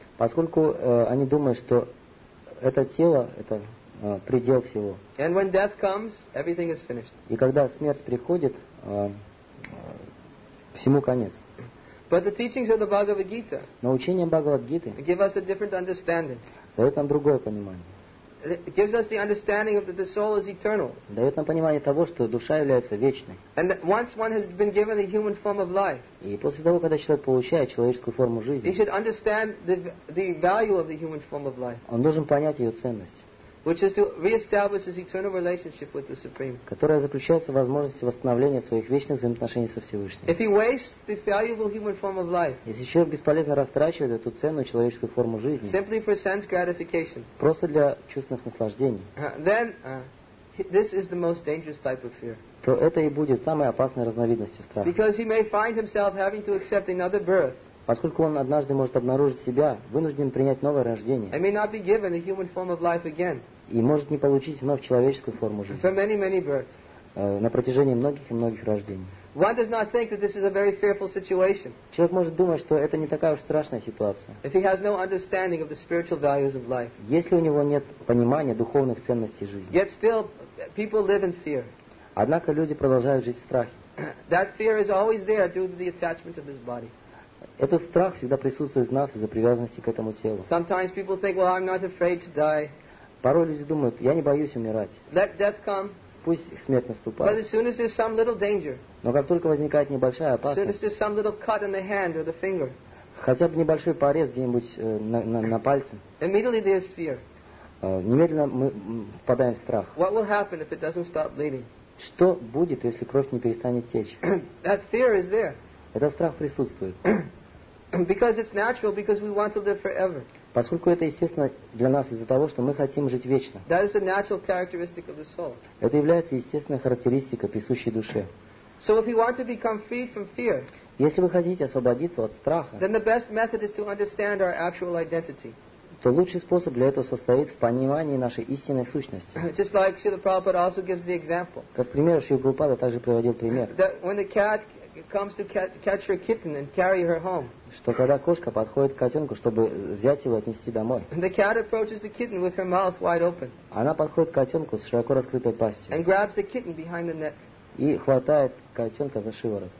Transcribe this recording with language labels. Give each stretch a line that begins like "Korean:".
Russian: Поскольку они думают, что это тело это предел всего.
English: And when death comes, everything is finished.
Russian: И когда смерть приходит, всему конец.
English: But the teachings of the Bhagavad Gita.
Russian: Но учение Бхагавад Гиты.
English: Give us a different understanding.
Russian: Дает нам другое понимание.
English: It gives us the understanding of that the soul is eternal.
Russian: Дает нам понимание того, что душа является вечной.
English: And once one has been given a human form of life.
Russian: И после того, когда человек получает человеческую форму жизни.
English: He should understand the value of the human form of life.
Russian: Он должен понять ее ценность.
English: Which is to reestablish his eternal relationship with the Supreme.
Russian: Которая заключается в возможности восстановления своих вечных взаимоотношений со Всевышним.
English: If he wastes the valuable human form of life.
Russian: Если человек бесполезно растрачивает эту ценную человеческую форму жизни.
English: Simply for sense gratification.
Russian: Просто для чувственных наслаждений.
English: Then this is the most dangerous type of fear.
Russian: То это и будет самой опасной разновидностью страха.
English: Because he may find himself having to accept another birth.
Russian: Поскольку он однажды может обнаружить себя, вынужден принять новое рождение.
English: And may not be given a human form of life again.
Russian: И может не получить вновь человеческую форму жизни.
English: For many, many births.
Russian: На протяжении многих и многих рождений.
English: One does not think that this is a very fearful situation.
Russian: Человек может думать, что это не такая уж страшная ситуация.
English: If he has no understanding of the spiritual values of life.
Russian: Если у него нет понимания духовных ценностей жизни.
English: Yet still, people live in fear.
Russian: Однако люди продолжают жить в страхе.
English: That fear is always there due to the attachment of this body.
Russian: Этот страх всегда присутствует в нас из-за привязанности к этому телу.
English: Sometimes people think, well, I'm not afraid to die.
Russian: Порой люди думают, я не боюсь умирать.
English: Let death come.
Russian: Пусть смерть наступает.
English: But as soon as there's some little danger.
Russian: Но как только возникает небольшая опасность.
English: As soon as there's some little cut in the hand or the finger.
Russian: Хотя бы небольшой порез где-нибудь на пальце.
English: Immediately there's fear.
Russian: Немедленно мы впадаем в страх.
English: What will happen if it doesn't stop bleeding?
Russian: Что будет, если кровь не перестанет течь?
English: That fear is there.
Russian: Этот страх присутствует.
English: Because it's natural, because we want to live forever.
Russian: Поскольку это естественно для нас из-за того, что мы хотим жить вечно.
English: That is a natural characteristic of the soul.
Russian: Это является естественной характеристикой присущей душе.
English: So if you want to become free from fear,
Russian: если вы хотите освободиться от страха,
English: then the best method is to understand our actual identity.
Russian: То лучший способ для этого состоит в понимании нашей истинной сущности.
English: Just like Srila Prabhupada also gives the example.
Russian: Как пример, Шрила Прабхупада также приводил пример.
English: That when the cat comes to catch her kitten and carry her home.
Russian: Что когда кошка подходит к котенку, чтобы взять его и отнести домой.
English: The cat approaches the kitten with her mouth wide open.
Russian: Она подходит к котенку с широко раскрытой пастью.
English: And grabs the kitten behind the neck.
Russian: И хватает котенка за шиворот.